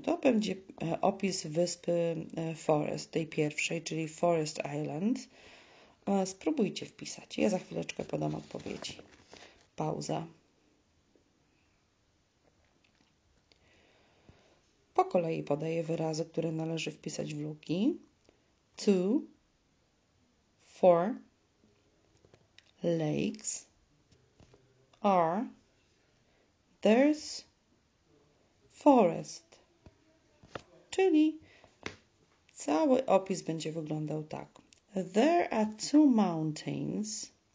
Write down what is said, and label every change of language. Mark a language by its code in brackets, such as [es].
[pl] To będzie opis wyspy Forest, tej pierwszej, czyli Forest Island. Spróbujcie wpisać. Ja za chwileczkę podam odpowiedzi. Pauza. Po kolei podaję wyrazy, które należy wpisać w luki. [en] Two, four, lakes, are, there's, forest. [pl] Czyli cały opis będzie wyglądał tak. [en] There are two mountains.